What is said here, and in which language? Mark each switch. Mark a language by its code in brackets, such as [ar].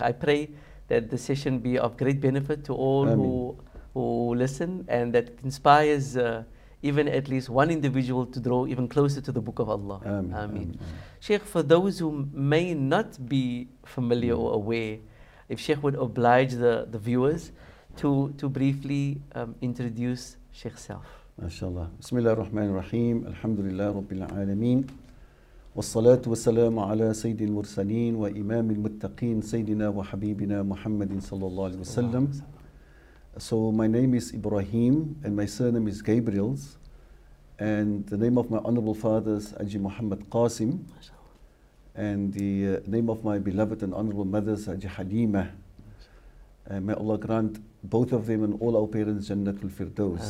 [en] I pray that the session be of great benefit to all who listen, and that it inspires even at least one individual to draw even closer to the Book of Allah. Ameen. Sheikh, for those who may not be familiar or aware, if Sheikh would oblige the viewers to briefly introduce Sheikh self. MashaAllah. Bismillah ar-Rahman ar-Rahim. Alhamdulillah Rabbil Alameen. [ar] والصلاة والسلام على سيد المرسلين وإمام المتقين سيدنا وحبيبنا محمد صلى الله عليه وسلم. [en] So my name is Ibrahim and my surname is Gabriels, and the name of my honorable fathers Haji Muhammad Qasim, and the name of my beloved and honorable mothers Haji Halima. May Allah grant both of them and all our parents Jannatul Firdaus.